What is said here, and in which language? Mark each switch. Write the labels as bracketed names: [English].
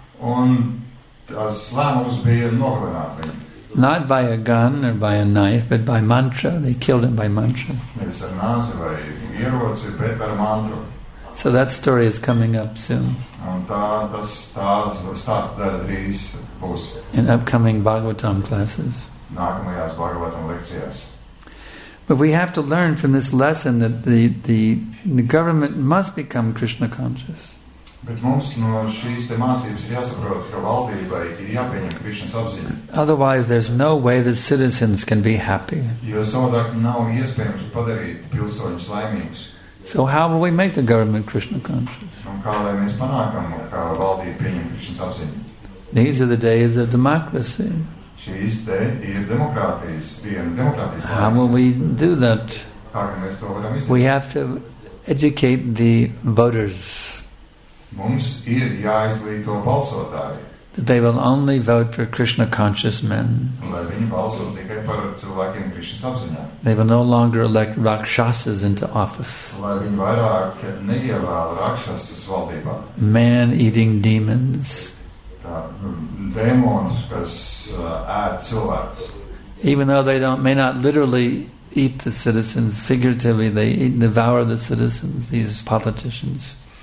[Latvian] Un tas lēmums bija nogalināt viņu. [English] Not by a gun or by a knife, but by mantra. They killed him by mantra. [Latvian] Nevis ar nāzi vai ieroci, bet ar mantru. [English] So that story is coming up soon. [Latvian] Un tā stāsta dēļ drīz būs. [English] In upcoming Bhagavatam classes. [Latvian] Nākamajās Bhagavatam lekcijās. [English] But we have to learn from this lesson that the government must become Krishna conscious. [Latvian] Bet mums no šīs te mācības ir jāsaprot, ka valdībai ir jāpieņem Krišnas apziņa. [English] Otherwise, there's no way that citizens can be happy. [Latvian] Jo savādāk nav iespējams padarīt pilsoņus laimīgus. [English] So how will we make the government Krishna conscious? [Latvian] Un kā lai mēs panākam, ka valdība pieņem Krišnas apziņa? [English] These are the days of democracy. [Latvian] Šīs te ir demokrātijas diena, demokrātijas laiks. [English] How will we do that? [Latvian] Kā mēs to varam izdarīt? [English] We have to educate the voters. [Latvian] Mums ir jāizglīto balsotāji. [English] That they will only vote for Krishna conscious men. [Latvian] Lai viņi balso tikai par cilvēkiem Krišnas apziņā. [English] They will no longer elect rakshasas into office. [Latvian] Lai viņi vairāk neievēl rakshasas valdībā. [English] Man eating demons. [Latvian] Tā, dēmonus, kas ēd cilvēkus. [English] Even though they don't, may not literally eat the citizens, figuratively they eat, devour the citizens, these politicians.